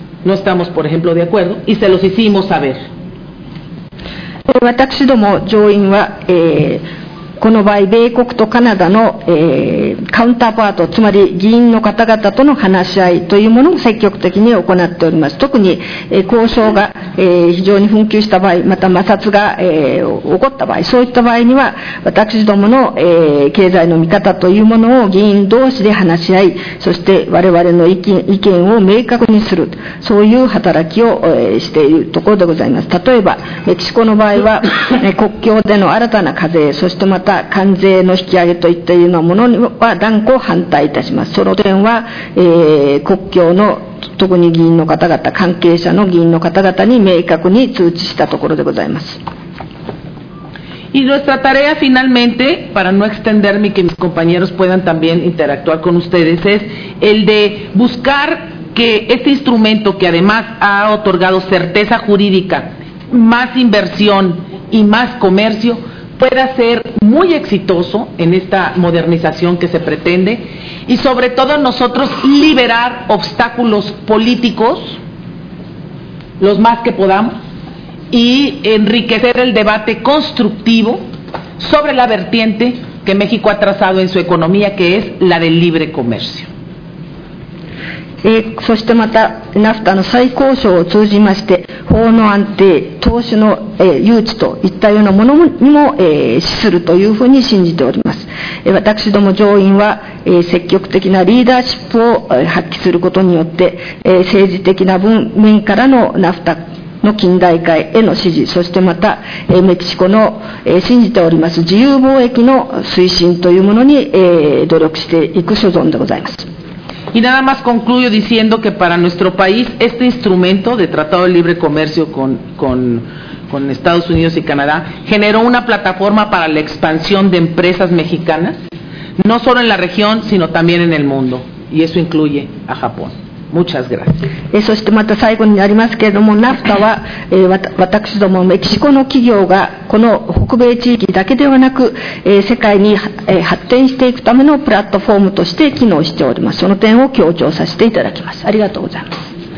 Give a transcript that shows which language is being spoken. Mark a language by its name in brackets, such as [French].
[Spanish] No estamos, por ejemplo, de acuerdo y se los hicimos saber. [Japanese] 私ども上院は、この場合米国とカナダの、カウンターパート、つまり議員の方々との話し合いというものを積極的に行っております。特に、交渉が、非常に紛糾した場合、また摩擦が、起こった場合、そういった場合には私どもの、経済の見方というものを議員同士で話し合い、そして我々の意見を明確にする、そういう働きを、しているところでございます。例えばメキシコの場合は国境での新たな課税、そしてまた関税の引き上げといったようなものには断固反対いたします。その点は、国境の特に議員の方々、関係者の議員の方々に明確に通知したところでございます。 [Spanish] Y nuestra tarea finalmente, para no extenderme y que mis compañeros puedan también interactuar con ustedes, es el de buscar que este instrumento que además ha otorgado certeza jurídica, más inversión y más comercio, pueda ser muy exitoso en esta modernización que se pretende y sobre todo nosotros liberar obstáculos políticos, los más que podamos, y enriquecer el debate constructivo sobre la vertiente que México ha trazado en su economía, que es la del libre comercio. [Japanese] そしてまた NAFTA の最高渉を通じまして、法の安定、投資の誘致といったようなものにも資するというふうに信じております。私ども上院は積極的なリーダーシップを発揮することによって、政治的な文面からの NAFTAの近代化への支持、そしてまたメキシコの信じております自由貿易の推進というものに努力していく所存でございます。 [Spanish] Y nada más concluyo diciendo que para nuestro país este instrumento de Tratado de Libre Comercio con Estados Unidos y Canadá generó una plataforma para la expansión de empresas mexicanas, no solo en la región sino también en el mundo, y eso incluye a Japón. Muchas gracias. [Japanese] そしてまた最後になりますけれども、 NAFTA は私どもメキシコの企業がこの北米地域だけではなく世界に発展していくためのプラットフォームとして機能しております。その点を強調させていただきます。ありがとうございます。